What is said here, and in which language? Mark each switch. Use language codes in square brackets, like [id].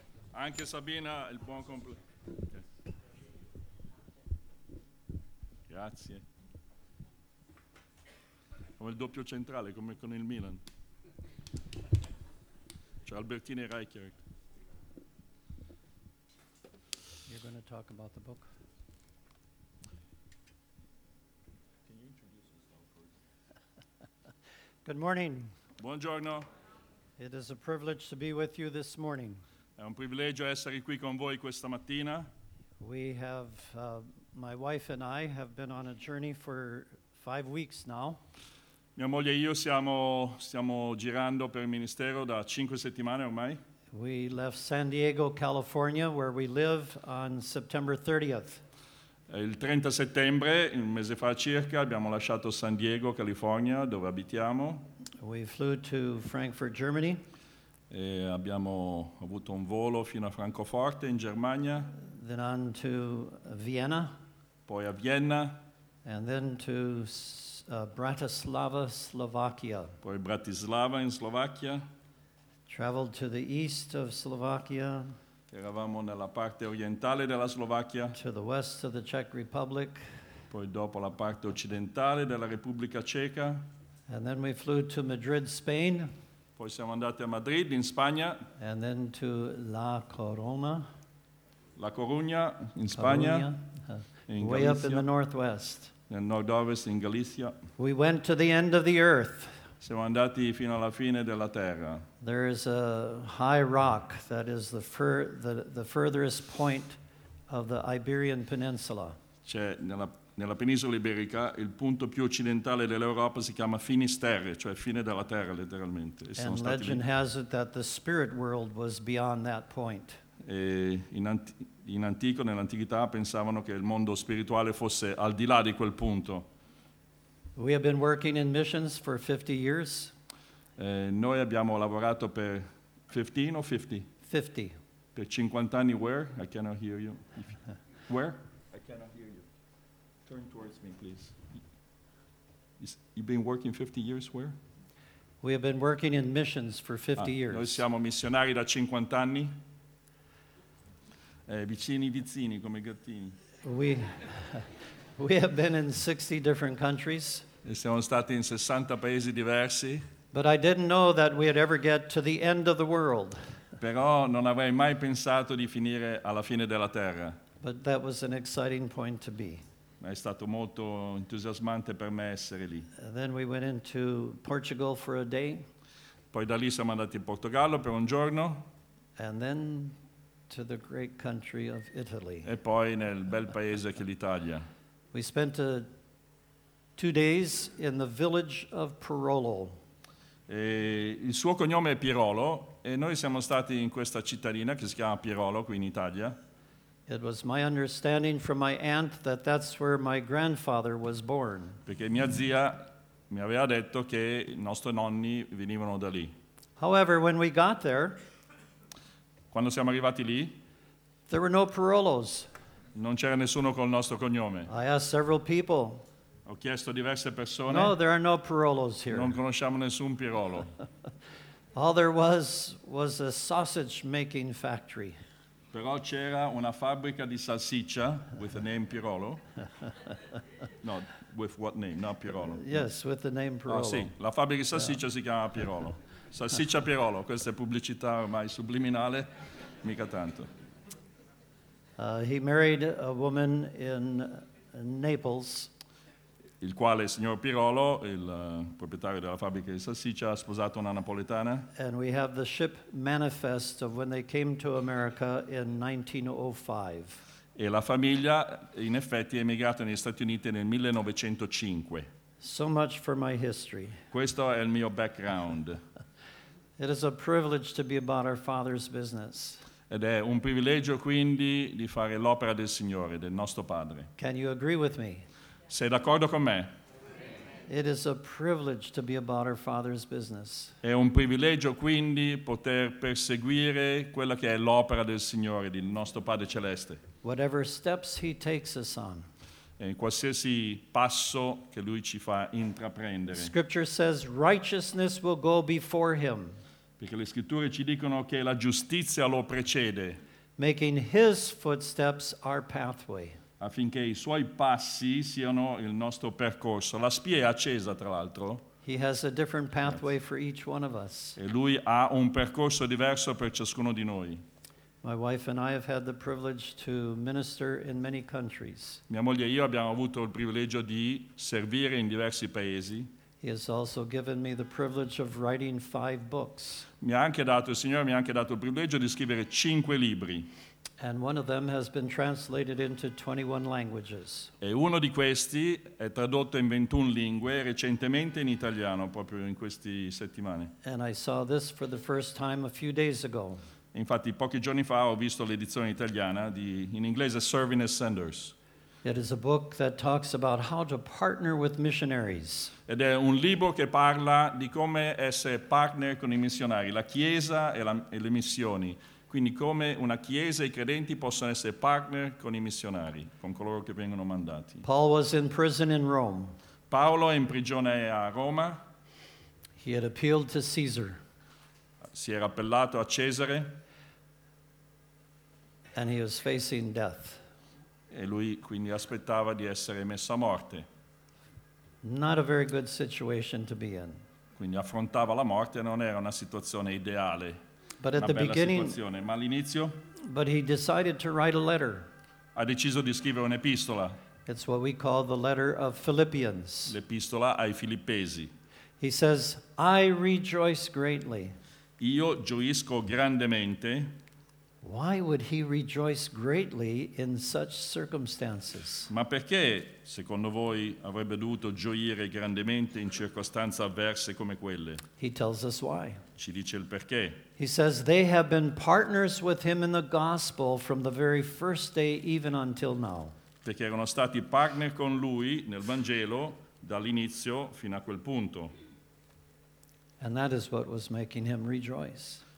[it] Anche Sabina, il buon compleanno. Grazie. Come il doppio centrale, come con il Milan. C'è Albertini e Reichert. [en] You're going to talk about the book. Can you introduce yourself first? Good morning. [it] Buongiorno. [en] It is a privilege to be with you this morning. [it] È un privilegio essere qui con voi questa mattina. [en] We have my wife and I have been on a journey for 5 weeks now. [it] Mia moglie e io stiamo girando per il ministero da 5 settimane ormai. [en] We left San Diego, California, where we live, on September 30th. [it] Il 30 settembre, un mese fa circa, abbiamo lasciato San Diego, California, dove abitiamo. [en] We flew to Frankfurt, Germany. [it] E abbiamo avuto un volo fino a Francoforte, in Germania. [en] Then on to Vienna. [it] Poi a Vienna. [en] And then to Bratislava, Slovakia. [it] Poi Bratislava in Slovacchia. [en] Traveled to the east of Slovakia. [it] Eravamo nella parte orientale della Slovacchia. [en] To the west of the Czech Republic. [it] Poi dopo la parte occidentale della Repubblica Ceca. [en] And then we flew to Madrid, Spain. [it] Poi siamo andati a Madrid in Spagna. [en] And then to La Coruña. [it] La Coruña in Spagna. [en] In way Galicia, up in the northwest. [it] Nel nord-ovest in Galicia. [en] We went to the end of the earth. [it] Siamo andati fino alla fine della terra. [en] There is a high rock that is the furthest point of the Iberian Peninsula. [it] C'è nella penisola iberica il punto più occidentale dell'Europa si chiama Finisterre, cioè fine della terra letteralmente. [en] E and legend has it that the spirit world was beyond that point. [it] E nell'antichità pensavano che il mondo spirituale fosse al di là di quel punto. [en] We have been working in missions for 50 years. [it] Noi abbiamo lavorato per 15 o 50? [en] 50. [it] Per 50 anni [en] where? I cannot hear you. Where? I cannot hear you. Turn towards me, please. You've been working 50 years where? We have been working in missions for 50 years. [it] Noi siamo missionari da 50 anni. Vicini vizzini come gattini. [en] We have been in 60 different countries. [it] E siamo stati in 60 paesi diversi. [en] But I didn't know that we'd ever get to the end of the world. [it] Però non avrei mai pensato di finire alla fine della terra. [en] But that was an exciting point to be. [it] Ma è stato molto entusiasmante per me essere lì. [en] And then we went into Portugal for a day. [it] Poi da lì siamo andati in Portogallo per un giorno. [en] And then to the great country of Italy. [it] E poi nel bel paese che è l'Italia. [en] We spent 2 days in the village of Pirolo. [it] E il suo cognome è Pirolo e noi siamo stati in questa cittadina che si chiama Pirolo qui in Italia. [en] It was my understanding from my aunt that that's where my grandfather was born. [it] Perché mia zia mi aveva detto che i nostri nonni venivano da lì. [en] However, when we got there, [it] quando siamo arrivati lì, [en] there were no Pirolos. [it] Non c'era nessuno col nostro cognome. [en] I asked several people. [it] Ho chiesto a diverse persone. [en] No, there are no Pirolos here. [it] Non conosciamo nessun Pirolo. [en] All there was a sausage making factory. [it] Però c'era una fabbrica di salsiccia [en] with the name Pirolo. No, with what name? Not Pirolo. Yes, with the name Pirolo. [it] Oh, sì, la fabbrica di salsiccia si chiama Pirolo. Salsiccia Pirolo, questa è pubblicità ormai subliminale, mica tanto. [en] He married a woman in Naples. [it] Il quale, signor Pirolo, il proprietario della fabbrica di salsiccia, ha sposato una napoletana. [en] And we have the ship manifest of when they came to America in 1905. [it] E la famiglia, in effetti, è emigrata negli Stati Uniti nel 1905. [en] So much for my history. [it] Questo è il mio background. [en] It is a privilege to be about our Father's business. [it] Ed è un privilegio quindi di fare l'opera del Signore, del nostro Padre. [en] Can you agree with me? [it] Sei d'accordo con me? [en] It is a privilege to be about our Father's business. [it] È un privilegio quindi poter perseguire quella che è l'opera del Signore, del nostro Padre Celeste. [en] Whatever steps He takes us on. [it] E qualsiasi passo che Lui ci fa intraprendere. [en] Scripture says righteousness will go before Him. [it] Perché le Scritture ci dicono che la giustizia lo precede. [en] Making His footsteps our pathway. [it] Affinché I suoi passi siano il nostro percorso. La spia è accesa, tra l'altro. [en] He has a different pathway for each one of us. [it] E lui ha un percorso diverso per ciascuno di noi. [en] My wife and I have had the privilege to minister in many countries. [it] Mia moglie e io abbiamo avuto il privilegio di servire in diversi paesi. [en] He has also given me the privilege of writing 5 books. [it] Il Signore mi ha anche dato il privilegio di scrivere 5 libri. [en] And one of them has been translated into 21 languages. [it] E uno di questi è tradotto in 21 lingue, recentemente in italiano, proprio in queste settimane. [en] And I saw this for the first time a few days ago. [it] Infatti, pochi giorni fa ho visto l'edizione italiana di, in inglese, Serving as Senders. [en] It is a book that talks about how to partner with missionaries. [it] Ed è un libro che parla di come essere partner con I missionari, la Chiesa e, la, e le missioni. Quindi come una chiesa e I credenti possono essere partner con I missionari, con coloro che vengono mandati. [en] Paul was in prison in Rome. [it] Paolo è in prigione a Roma. [en] He had appealed to Caesar. [it] Si era appellato a Cesare. [en] And he was facing death. [it] E lui quindi aspettava di essere messo a morte. [en] Not a very good situation to be in. [it] Quindi affrontava la morte, non era una situazione ideale. [en] But at the beginning, [it] ma all'inizio, [en] but he decided to write a letter. [it] Ha deciso di scrivere un'epistola. [en] It's what we call the letter of Philippians. [it] L'epistola ai Filippesi. [en] He says, "I rejoice greatly." [it] Io gioisco grandemente. [en] Why would he rejoice greatly in such circumstances? [it] Ma perché, secondo voi, avrebbe dovuto gioire grandemente in circostanze avverse come quelle? [en] He tells us why. [it] Ci dice il perché. [en] He says they have been partners with him in the gospel from the very first day even until now. [it] Perché erano stati partner con lui nel Vangelo dall'inizio fino a quel punto. [en] And that is what was making him rejoice.